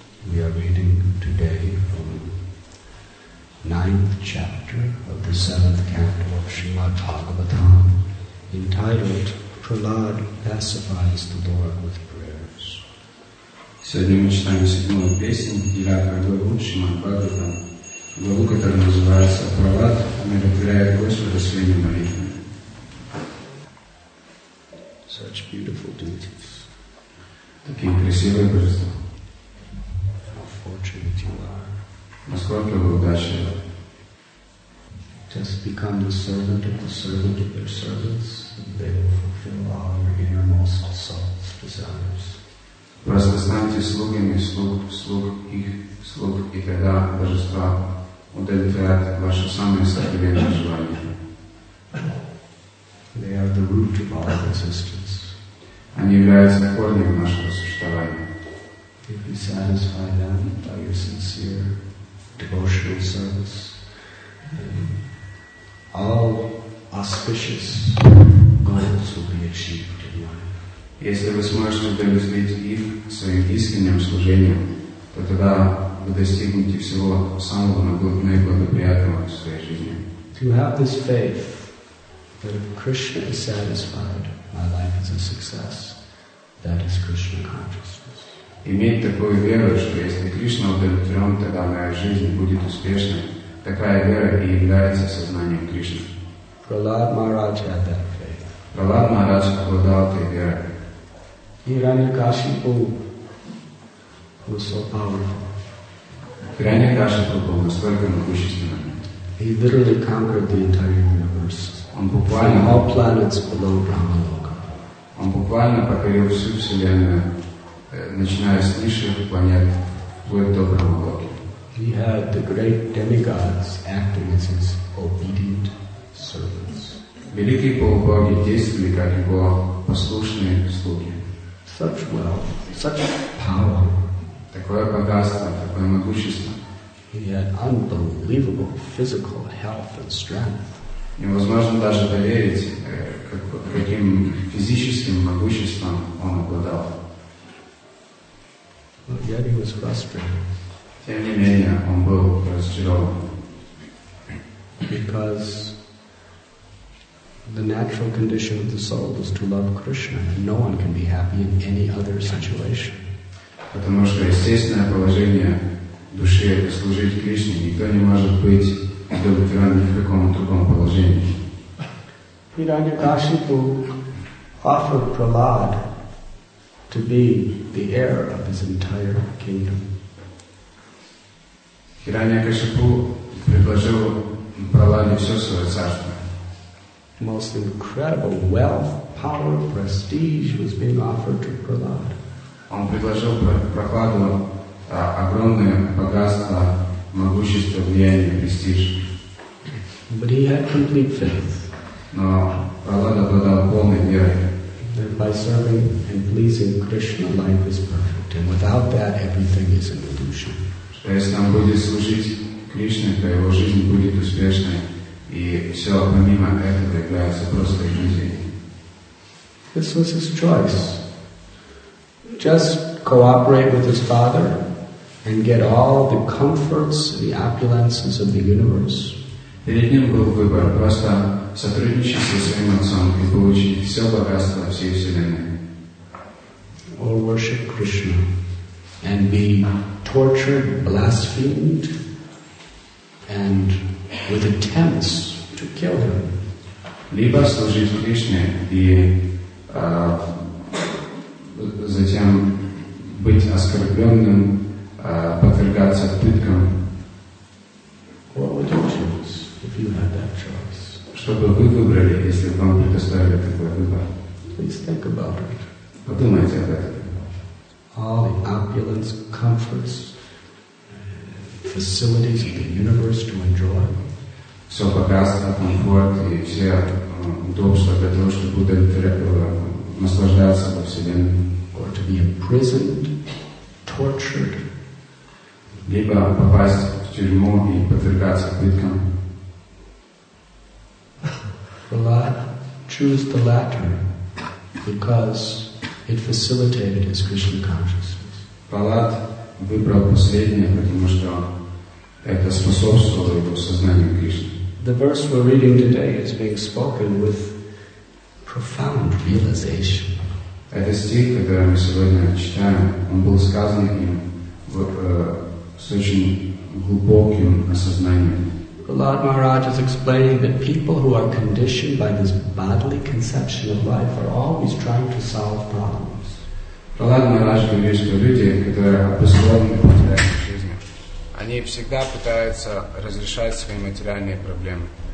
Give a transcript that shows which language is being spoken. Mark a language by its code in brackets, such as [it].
[en] We are reading today from the ninth chapter of the seventh canto of Srimad Bhagavatam, entitled Prahlad pacifies the Lord with prayers. [ru] Сегодня мы читаем седьмую песню, девятую главу Шримад Бхагаватам, главу, которая называется «Прахлад умиротворяет Господа своими молитвами». [en] Such beautiful duties. [ru] Такие красивые божества. [en] How fortunate you are. [ru] Насколько вы удачливы. [en] Just become the servant of the servant of their servants, and they will fulfill all your innermost soul's desires. [ru] Просто станьте слугами слуг их слуг, и тогда божества удовлетворят ваши самые сокровенные желания. [en] They are the root of all existence. [ru] Они являются корнем нашего существования. [en] If you satisfy them by your sincere devotional service, all auspicious goals will be achieved in life. [ru] Если вы сможете удовлетворить их своим искренним служением, то тогда вы достигнете всего самого наиблагоприятного в своей жизни. [en] To have this faith that if Krishna is satisfied, my life is a success, that is Krishna consciousness. [ru] Иметь такую веру, что если Кришна удовлетворен, тогда моя жизнь будет успешной, такая вера и является сознанием Кришны. [en] Prahlad Maharaj had that faith. [ru] Prahlad Maharaj обладал этой верой. Хираньякашипу Госвапала. Хираньякашипу был настолько могущественным. [en] He literally conquered the entire universe. [ru] Он буквально [en] all planets below Brahmaloka. [ru] Он буквально покорил всю вселенную, начиная с низших планет вплоть до Брахмалоки. [en] He had the great demigods acting as his obedient servants. [ru] Великие полубоги действовали как его послушные слуги. [en] Such wealth, such power. [ru] Такое богатство, такое могущество. [en] He had unbelievable physical health and strength. [ru] Невозможно даже поверить, каким физическим могуществом он обладал. [en] But yet he was frustrated. [ru] Тем не менее, он был разочарован. [en] Because the natural condition of the soul is to love Krishna, and no one can be happy in any other situation. [ru] Потому что естественное положение души — это служить Кришне. Никто не может быть удовлетворен ни в каком другом положении. [en] Hiranyakashipu offered Prahlad to be the heir of his entire kingdom. [ru] Hiranyakashipu предложил Прахладе все свое царство. [en] Most incredible wealth, power, prestige was being offered to Prahlad. [ru] Он предложил Прахладу огромное богатство, могущество, влияние, престиж. [en] But he had complete faith. [ru] Но Прахлада обладал полной верой. [en] That by serving and pleasing Krishna, life is perfect, and without that, everything is an illusion. [ru] Что если он будет служить Кришне, то его жизнь будет успешной. И все помимо этого является просто иллюзией. [en] This was his choice. Just cooperate with his father and get all the comforts, the opulences of the universe. [ru] Перед ним был выбор. Просто сотрудничать со своим отцом и получить все богатство всей вселенной. [en] Or worship Krishna and be tortured, blasphemed, and with attempts to kill him. [ru] Либо служить Кришне и затем быть оскорбленным, подвергаться пыткам. [en] What would you choose if you had that choice? [ru] Что бы вы выбрали, если бы вам предоставили такой выбор? [en] Please think about it. [ru] Подумайте об этом. [en] All the opulence, comforts, facilities of the universe to enjoy. [ru] Все богатство, комфорт и все удобства для того, чтобы наслаждаться во Вселенной. [en] To be imprisoned, tortured. [ru] Либо попасть в тюрьму и подвергаться пыткам. [en] Prahlad chose the latter because it facilitated his Krishna consciousness. [ru] Prahlad выбрал последнее, потому что это способствовало его сознанию Кришны. [en] The verse we're reading today is being spoken with profound realization. [ru] Этот стих, который мы сегодня читаем, он был сказан им с очень глубоким осознанием. [en] Prahlad Maharaj is explaining that people who are conditioned by this bodily conception of life are always trying to solve problems. [ru] Prahlad Maharaj говорит, что люди, которые обусловлены материальной жизнью, они всегда пытаются разрешать свои материальные проблемы.